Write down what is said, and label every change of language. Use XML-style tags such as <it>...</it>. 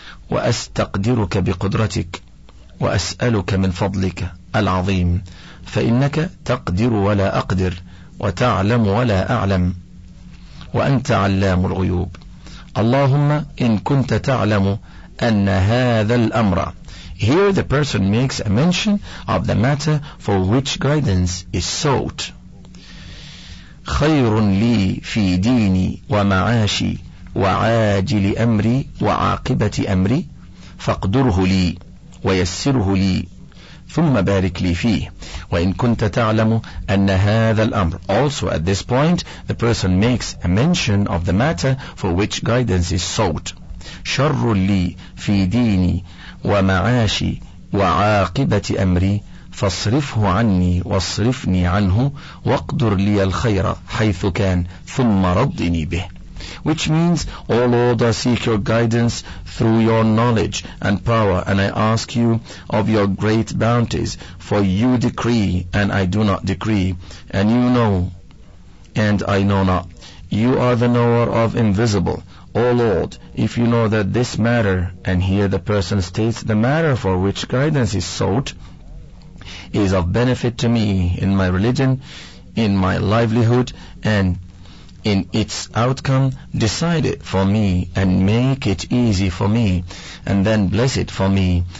<ar>وأستقدرك بقدرتك وأسألك من فضلك العظيم، فإنك تقدر ولا أقدر وتعلم ولا أعلم، وأنت علام الغيوب. اللهم إن كنت تعلم أن هذا الأمر.</ar> <en>Here the person makes a mention of the matter for which guidance is sought.</en> <ar>خير لي في ديني ومعاشي وعاجل أمري وعاقبة أمري، فاقدره لي ويسره لي ثم بارك لي فيه. وإن كنت تعلم أن هذا الأمر.</ar> <en>Also at this point the person makes a mention of the matter for which guidance is sought.</en> <ar>شر لي في ديني ومعاشي وعاقبة أمري، فاصرفه عني واصرفني عنه، واقدر لي الخير حيث كان ثم ردني به.</ar> <en>Which means, O Lord, I seek your guidance through your knowledge and power, and I ask you of your great bounties, for you decree and I do not decree, and you know and I know not. You are the knower of invisible. O Lord, if you know that this matter, and here the person states the matter for which guidance is sought, is of benefit to me in my religion, in my livelihood, and in its outcome, decide it for me and make it easy for me, and then bless it for me.</en>